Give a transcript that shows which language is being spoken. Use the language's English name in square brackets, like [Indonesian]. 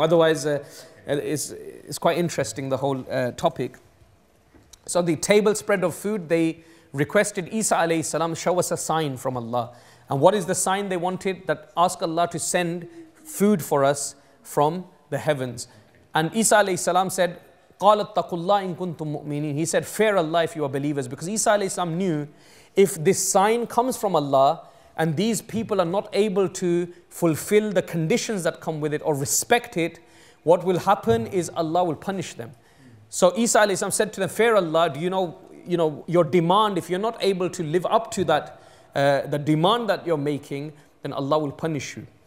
[English] Otherwise, it's quite interesting, the whole topic. So the table spread of food, they requested Isa alayhi salam, show us a sign from Allah. And what is the sign they wanted? That ask Allah to send food for us from the heavens. And Isa alayhi salam said, [Arabic] قَالَ اتَّقُ اللَّهِ إِن كُنْتُم مُؤْمِنِينَ. [English] He said, fear Allah if you are believers. Because Isa alayhi salam knew, if this sign comes from Allah, and these people are not able to fulfill the conditions that come with it or respect it, what will happen is Allah will punish them. So Isa alayhi salam said to them, fear Allah, do you know your demand, if you're not able to live up to that, the demand that you're making, then Allah will punish you.